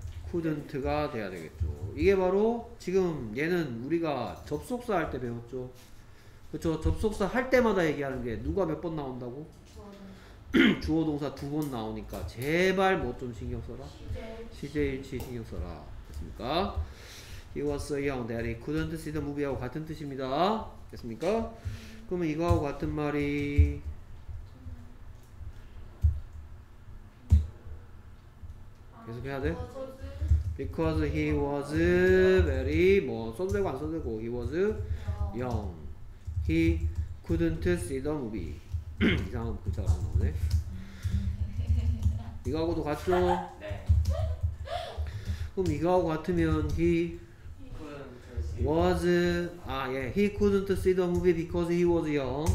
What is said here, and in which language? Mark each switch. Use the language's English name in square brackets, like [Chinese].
[Korean] couldn't가 돼야 되겠죠. 이게 바로 지금 얘는 우리가 접속사 할 때 배웠죠. 그쵸? 접속사 할 때마다 얘기하는 게 누가 몇 번 나온다고? 주어 동사 두 번 나오니까 제발 뭐 좀 신경 써라. 시제 일치 신경 써라. 됐습니까? [English] He was so young that he couldn't see the movie [Korean] 하고 같은 뜻입니다. 됐습니까? 그러면 이거하고 같은 말이 계속 해야 돼? [English] Because he was very [Korean] 뭐 써도 되고 안 써도 되고 [English] he was young. He couldn't see the movie. [Korean] 이상한 글자가 안 나오네. 이거하고도 같죠? 네. 그럼 이거하고 같으면 he [English] was 아 예 yeah. he couldn't see the movie because he was young.